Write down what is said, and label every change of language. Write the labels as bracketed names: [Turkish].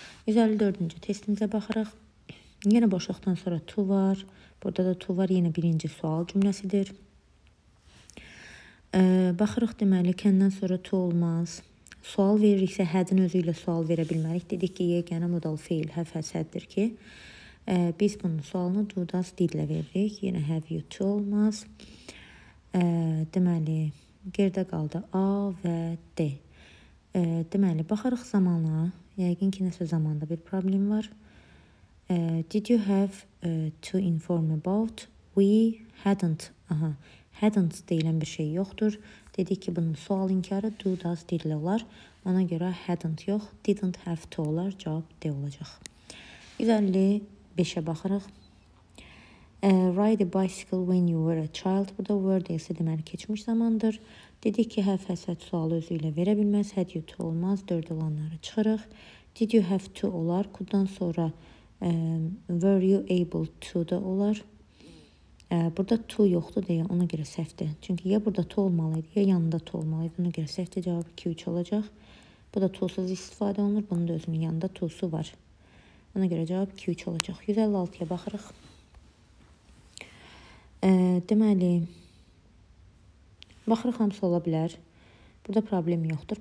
[Azerbaijani] 154-cü testimizə baxırıq. Yenə boşluqdan sonra to var. Burada da to var. Yenə birinci sual cümləsidir. Baxırıq deməli, can-dan sonra to olmaz. Sual veririksə, had-ın özü ilə sual verə bilmərik. Dedik ki, yeganə modal fail, have has had-dir ki. Biz bunun sualını do, does, did ilə veririk. Yenə have you to olmaz. Deməli, geridə qaldı A və D. Deməli, baxırıq zamana. Yəqin ki, nəsə zamanda bir problem var. [English] Did you have to inform about? We hadn't. Aha. [Azerbaijani] Hadn't deyilən bir şey yoxdur. Dedik ki, bunun sual inkarı do, does, did ilə olar. Ona görə hadn't yox, didn't have to olar. Cavab D olacaq. 155-ə baxırıq. [English] Ride a bicycle when you were a child. [Azerbaijani] Burada were deyilsə deməli keçmiş zamandır. Dedik ki, have has had sualı özü ilə verə bilməz. Had you to olmaz. Dörd olanları çıxırıq. Did you have to olar. Could-dan sonra were you able to da olar. Burada to yoxdur deyə ona görə səhvdir. Çünki ya burada to olmalıydı, ya yanında to olmalıydı. Ona görə səhvdir cavab 2-3 olacaq. Bu da to-suz istifadə olunur. Bunun da özünün yanında to-su var. Ona görə cavab 2-3 olacaq. 156-ya baxırıq. Deməli, baxırıq hamısı ola bilər. Burada problem yoxdur.